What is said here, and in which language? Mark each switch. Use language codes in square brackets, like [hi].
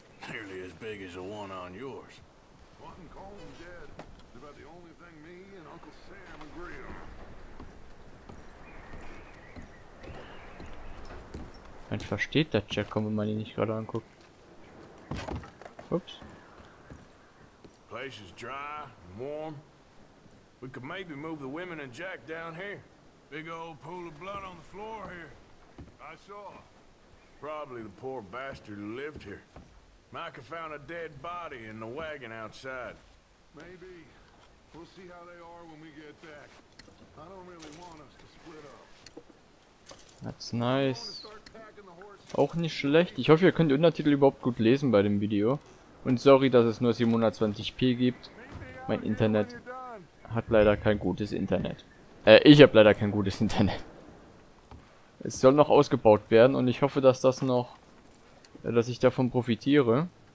[en] Nearly as big as the one on yours. Wanting Colm dead is about the only thing me and Uncle Sam agree on. [de] Man versteht das Jack, wenn man ihn nicht gerade anguckt. [en] Oops. Place is dry and warm. We could maybe move the women and Jack down here. Big old pool of blood on the floor here. I saw. Probably the poor bastard who lived here. Micah found a dead body in the wagon outside. Maybe. We'll see how they are when we get back. I don't really want us to split up. That's nice. [de] Auch nicht schlecht. Ich hoffe, ihr könnt die Untertitel überhaupt gut lesen bei dem Video. Und sorry, dass es nur 720p gibt. Mein Internet hat leider kein gutes Internet. Ich habe leider kein gutes Internet. Es soll noch ausgebaut werden und ich hoffe, dass das noch... dass ich davon profitiere.